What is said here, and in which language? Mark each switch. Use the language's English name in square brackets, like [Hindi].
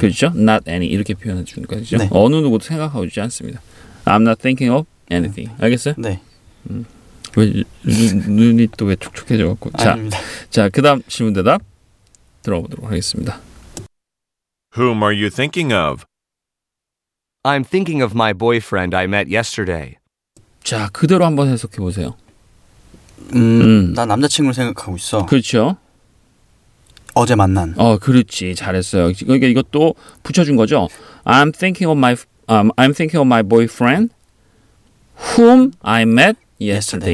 [Korean] 그렇죠? [English] Not any. [Korean] 이렇게 표현해 주는 거죠. 네. 어느 누구도 생각하고 있지 않습니다. [English] I'm not thinking of anything. [Korean] 네. 알겠어요? 네. 왜 눈이 또 왜 촉촉해져갖고. 자, 자, 그 다음 질문 대답 들어보도록 하겠습니다. [English] Whom are you thinking of? I'm thinking of my boyfriend I met yesterday. [Korean] 자, 그대로 한번 해석해 보세요. 나 남자친구를 생각하고 있어. 그렇죠? 어제 만난. 어, 그렇지. 잘했어요. 그러니까 이것도 붙여준 거죠. [English] I'm thinking of my I'm thinking of my boyfriend whom I met yesterday.